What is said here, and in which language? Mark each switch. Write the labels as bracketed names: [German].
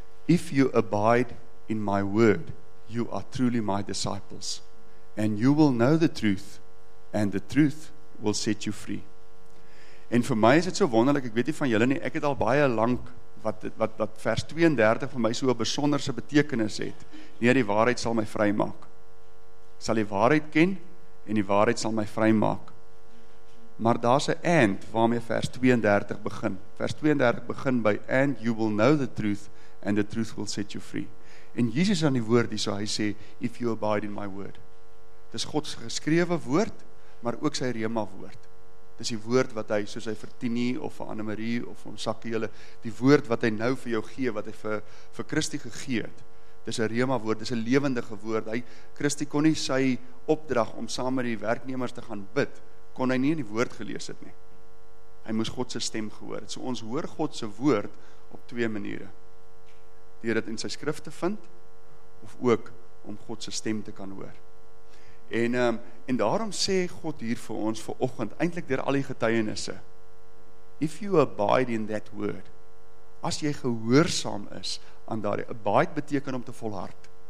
[English] If you abide in my word, you are truly my disciples, and you will know the truth, and the truth will set you free. [Afrikaans] En vir my is dit so wonderlik, ek weet nie van julle nie, ek het al baie lank, wat vers 32 vir my so 'n besonderse betekenis het, nee, die waarheid sal my vry maak. Ek sal die waarheid ken, en die waarheid sal my vry maak. Maar daar's 'n and, waarmee vers 32 begin. Vers 32 begin by, [English] and you will know the truth, and the truth will set you free. [Afrikaans] En Jesus aan die woord hier, so hy sê, [English] if you abide in my word. [Afrikaans] Dis Gods geskrewe woord, maar ook sy rema woord. Dis die woord wat hy, soos hy vir Tini, of vir Anne Marie, of vir Sakkie julle, die woord wat hy nou vir jou gee, wat hy vir Christie gegee het. Dis een rema woord, dis een levendige woord. Christie kon nie sy opdrag om saam met die werknemers te gaan bid, kon hy nie in die woord gelees het nie. Hy moes God se stem gehoor het. So ons hoor God se woord op twee maniere. Deur dit in sy skrif te vind, of ook om God se stem te kan hoor. En daarom sê God hier vir ons vanoggend, eintlik deur al die getuienisse, [English] if you abide in that word, [Afrikaans] as jy gehoorsaam is aan daardie, abide beteken om te volhard.